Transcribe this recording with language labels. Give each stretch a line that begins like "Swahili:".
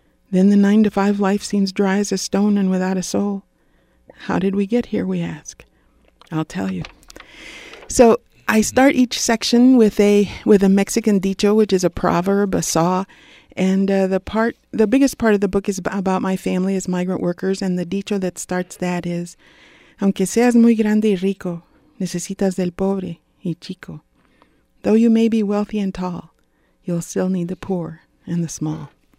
English: Then the 9-to-5 life seems dry as a stone and without a soul. How did we get here, we ask. I'll tell you. So I start each section with a Mexican dicho, which is a proverb, a saw. And the biggest part of the book is about my family as migrant workers. And the dicho that starts that is,
Spanish: aunque seas muy grande y rico, necesitas del pobre y chico.
English: Though you may be wealthy and tall, you'll still need the poor and the small.